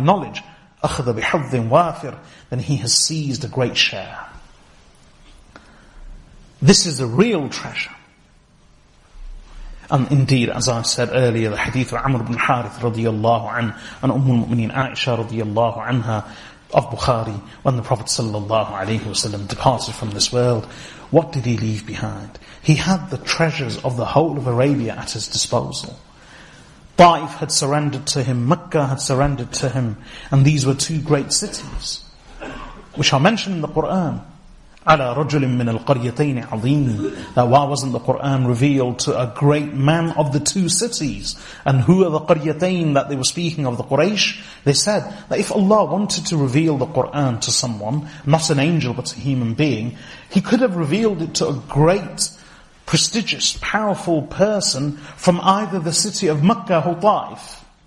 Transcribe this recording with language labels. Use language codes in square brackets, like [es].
[en] knowledge, [ar] أَخَذَ بِحَظٍ وَافِرٍ. [en] Then he has seized a great share. This is a real treasure. And indeed, as I said earlier, the hadith of Amr ibn Harith radiyallahu anhu and Ummul Mu'mineen Aisha radiyallahu anha of Bukhari, when the Prophet sallallahu alayhi wasallam departed from this world, what did he leave behind? He had the treasures of the whole of Arabia at his disposal. Taif had surrendered to him, Mecca had surrendered to him, and these were two great cities, which are mentioned in the Qur'an. [ar] على رجل من القريتين عظيم. [en] Why wasn't the Quran revealed to a great man of the two cities? And who are the قريتين that they were speaking of, the Quraysh? They said that if Allah wanted to reveal the Quran to someone, not an angel but a human being, He could have revealed it to a great, prestigious, powerful person from either the city of Makkah or Taif.